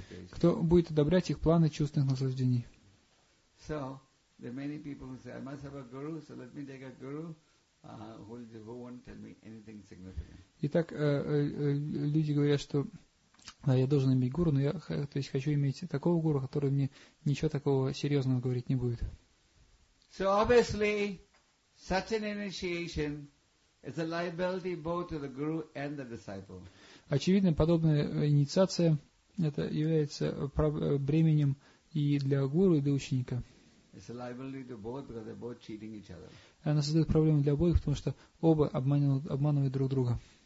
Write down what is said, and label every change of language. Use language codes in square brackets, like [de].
[ru] кто будет одобрять их планы чувственных наслаждений. [en] So, there are many people who say, I must have a guru, so let me take a guru. Who won't tell me anything significant. [ru] Итак, люди говорят, что я должен иметь гуру, но я, то есть, хочу иметь такого гуру, который мне ничего такого серьезного говорить не будет. [en] So obviously, such an initiation is a liability both to the guru and the disciple. [ru] Очевидно, подобная инициация это является бременем и для гуру, и для ученика. [en] It's a liability to both because they're both cheating each other. [ru] Она создает проблему для обоих, потому что оба обманывают друг друга.